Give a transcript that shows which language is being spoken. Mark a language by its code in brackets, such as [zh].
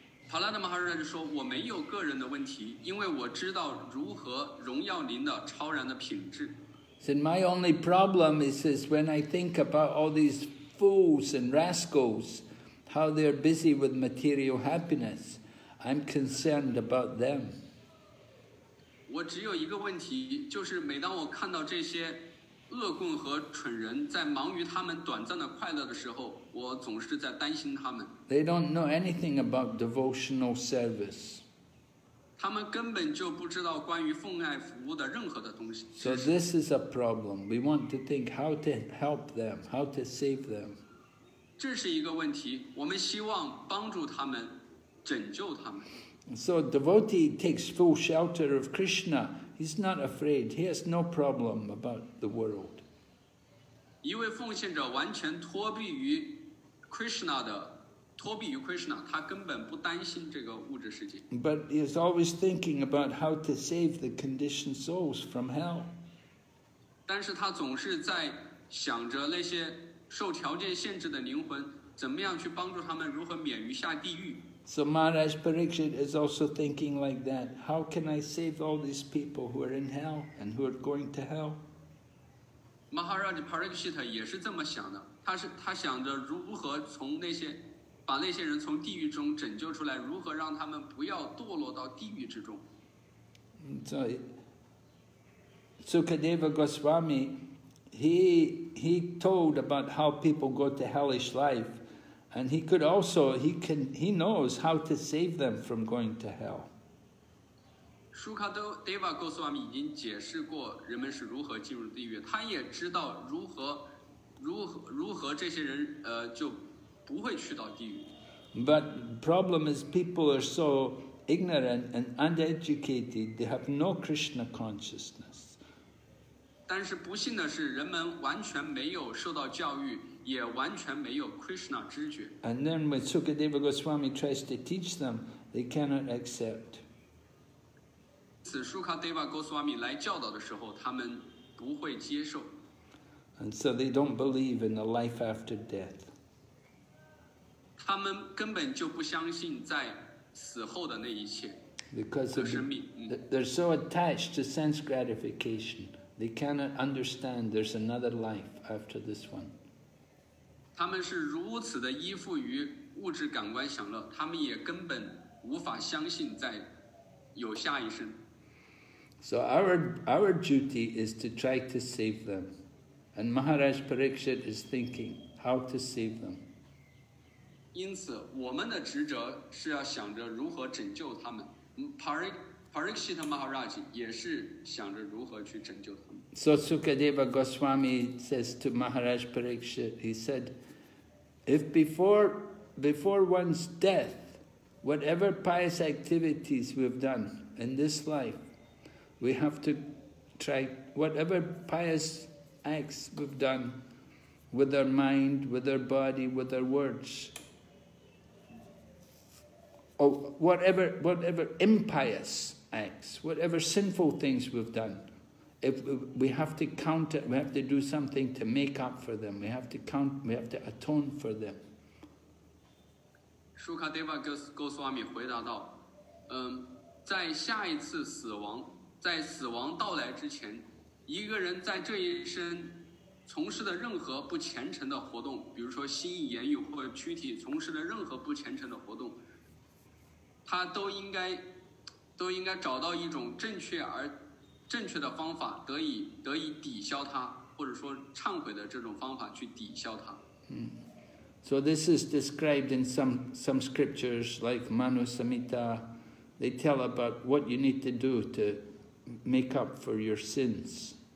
[zh] Prahlad Maharaj 说，我没有个人的问题，因为我知道如何荣耀您的超然的品质。 [en] Said, my only problem is when I think about all these fools and rascals, how they're busy with material happiness, I'm concerned about them. [zh] 我只有一个问题，就是每当我看到这些恶棍和蠢人在忙于他们短暂的快乐的时候，我总是在担心他们。 [en] They don't know anything about devotional service. [zh] 他们根本就不知道关于奉爱服务的任何的东西。 [en] So this is a problem. We want to think how to help them, how to save them. [zh] 这是一个问题，我们希望帮助他们，拯救他们。 [en] So a devotee takes full shelter of Krishna. He's not afraid. He has no problem about the world. [zh] 一位奉献者完全脱避于 Krishna 的，脱避于 Krishna， 他根本不担心这个物质世界。 [en] But he is always thinking about how to save the conditioned souls from hell. [zh] 但是他总是在想着那些受条件限制的灵魂，怎么样去帮助他们，如何免于下地狱。 [en] So Maharaj Parikshit is also thinking like that. How can I save all these people who are in hell and who are going to hell? [zh] Maharaj Parikshit 也是这么想的。他想着如何从那些把那些人从地狱中拯救出来，如何让他们不要堕落到地狱之中。 [en] So Sukadeva Goswami, he told about how people go to hellish life. And he could also, he knows how to save them from going to hell. [zh] Sukadeva Goswami 已经解释过人们是如何进入地狱，他也知道如何这些人就不会去到地狱。 [en] But the problem is people are so ignorant and uneducated, they have no Krishna consciousness. [zh] 但是不幸的是人们完全没有受到教育，也完全没有 Krishna 知觉。 [en] And then when Sukadeva Goswami tries to teach them, they cannot accept. [zh] 此 Sukadeva Goswami 来教导的时候，他们不会接受。 [en] And so they don't believe in the life after death. [zh] 他们根本就不相信在死后的那一切。 [en] Because of they're so attached to sense gratification, they cannot understand there's another life after this one. [zh] 他们是如此的依附于物质感官享乐，他们也根本无法相信在有下一生。 [en] So our duty is to try to save them, and Maharaj Parikshit is thinking how to save them. [zh] 因此，我们的职责是要想着如何拯救他们。 Parikshit Maharaj 也是想着如何去拯救他们。 [en] So Sukadeva Goswami says to Maharaj Parikshit, he said, if before one's death, whatever pious activities we've done in this life, we have to try, whatever pious acts we've done with our mind, with our body, with our words, or whatever impious acts, whatever sinful things we've done, if we have to count it, we have to do something to make up for them. We have to count, we have to atone for them. [zh] Shukadeva Goswami 回答道, 在死亡到来之前, 一个人在这一生, 从事的任何不虔诚的活动, 比如说心意言语或躯体, 从事的任何不虔诚的活动, 他都应该找到一种正确的方法, 得以抵消它, 或者说忏悔的这种方法去抵消它。 [en] So this is described in some scriptures like Manu Samhita. They tell about what you need to do to make up for your sins.